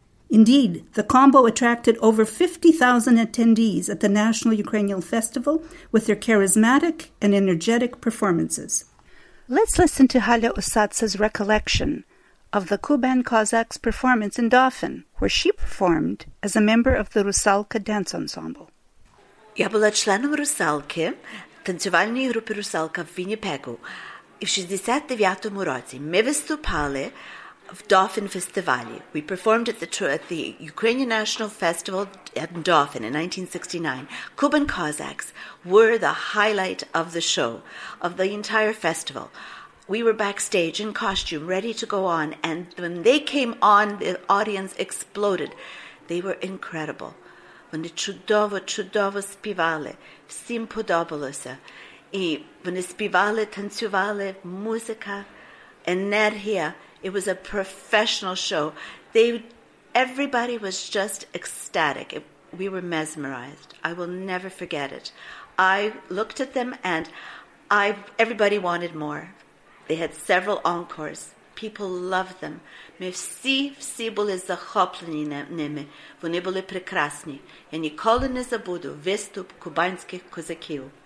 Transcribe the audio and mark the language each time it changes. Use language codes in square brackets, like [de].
[en] Indeed, the combo attracted over 50,000 attendees at the National Ukrainian Festival with their charismatic and energetic performances. Let's listen to Halya Usadze's recollection of the Kuban Cossacks performance in Dauphin, where she performed as a member of the Rusalka dance ensemble. [uk] Я була членом Русалки, танцювальної групи Русалка в Вінніпегу. І в 69-му році ми виступали в Dauphin Festival. [en] We performed at the Ukrainian National Festival in Dauphin in 1969. Kuban Cossacks were the highlight of the show, of the entire festival. We were backstage in costume, ready to go on, and when they came on, the audience exploded. They were incredible. [uk] Вони чудово, чудово співали, всім подобалося. І вони співали, танцювали, музика, енергія. [en] It was a professional show. Everybody was just ecstatic. We were mesmerized. I will never forget it. I looked at them and everybody wanted more. They had several encores. People loved them. [uk] Ми всі, всі були захоплені ними. Вони були прекрасні. Я ніколи не забуду виступ кубанських козаків.